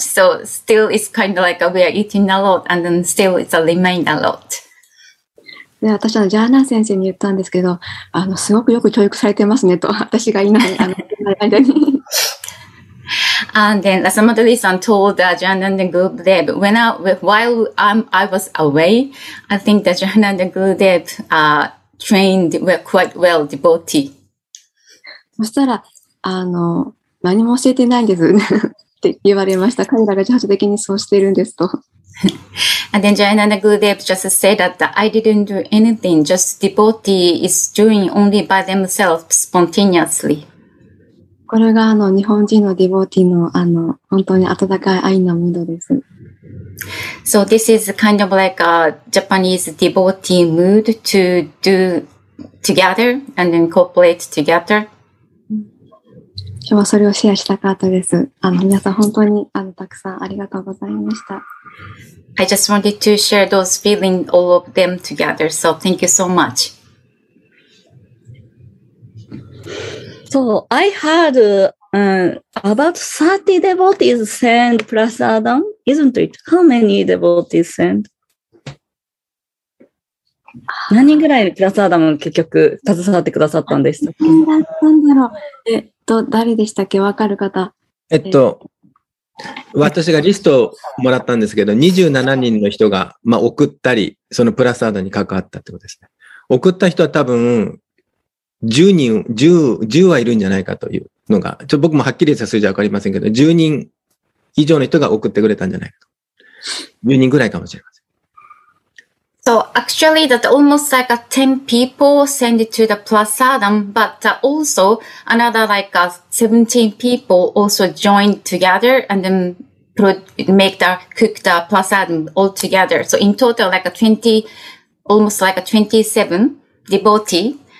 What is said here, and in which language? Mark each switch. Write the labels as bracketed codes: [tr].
[en] So still it's kind of like we are eating a lot and then still it's a remain a lot. [ja] で私のジャーナー先生に言ったんですけど、あのすごくよく教育されてますねと私がいない間に。 [en] And then Lasamadori-san told the Jahananda Gurudev, while I was away, I think the Jahananda Gurudev trained quite well devotee. [ja] そしたら、あの、何も教えてないんですって言われました。彼らが自発的にそうしているんですと。 [en] And then Jahananda Gurudev just said that I didn't do anything, just devotee is doing only by themselves spontaneously. [ja] これがあの日本人のディボーティー の, あの本当に温かい愛のムードです。 [en] So this is kind of like a Japanese devotee mood to do together and incorporate together. [ja] 今日はそれをシェアしたかったです。あの皆さん本当にあのたくさんありがとうございました。 [en] I just wanted to share those feelings, all of them together. So thank you so much. So I heard about 30 devotees send prasadam, isn't it? How many devotees send? [ja] 何人ぐらいプラスアダム結局携わってくださったんでしたっけ？何だったんだろう。誰でしたっけ？わかる方。私がリストをもらったんですけど、27人の人が、まあ、送ったり、そのプラスアダムに関わったってことですね。送った人は多分、10はいるんじゃないかというのが、ちょっと僕もはっきりした数字はわかりませんけど、10人以上の人が送ってくれたんじゃないかと。10人ぐらいかもしれません。 [en] So actually that almost like 10 people send it to the prasadam, but also another like 17 people also joined together and then make the cook the prasadam all together. So in total like almost like 27 devotee.